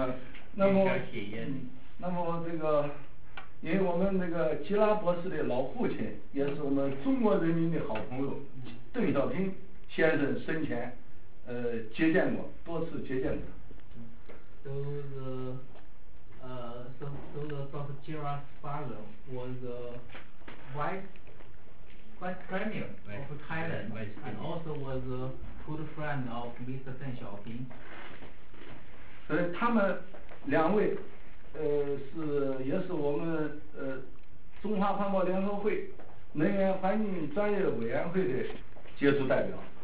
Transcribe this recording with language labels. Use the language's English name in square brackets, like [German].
[Chinese] 啊，那么这个，因为我们这个吉拉博士的老父亲，也是我们中国人民的好朋友，邓小平先生生前，接见过，多次接见过。 [English] So the Gerard's father was the vice premier of Thailand, and also was the good friend of Mr. [Chinese] 邓小平。所以他们两位，也是我们中华环保联合会能源环境专业委员会的杰出代表。